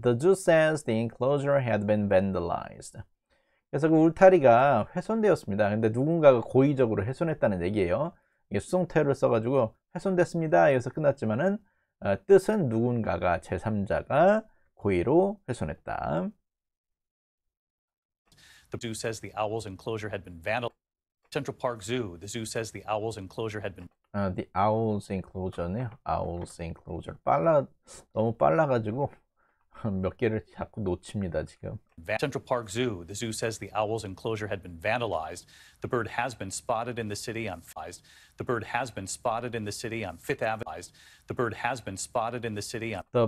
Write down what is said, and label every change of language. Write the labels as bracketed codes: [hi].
[en] The zoo says the enclosure had been vandalized. [ko] 그래서 그 울타리가 훼손되었습니다. 근데 누군가가 고의적으로 훼손했다는 얘기예요. 이게 수동태를 써가지고 훼손됐습니다. 여기서 끝났지만은 뜻은 누군가가, 제3자가 고의로 훼손했다. [en] The zoo says the owl's enclosure had been vandalized. Central Park Zoo. The zoo says the owl's enclosure had been. The owl's enclosure [ko] 네요. [en] Owl's enclosure. [ko] 너무 빨라가지고 몇 개를 자꾸 놓칩니다, 지금. [en] Central Park Zoo. The zoo says the owl's enclosure had been vandalized. The bird has been spotted in the city on Fifth. The bird has been spotted in the city on Fifth Avenue. The bird has been spotted in the city on.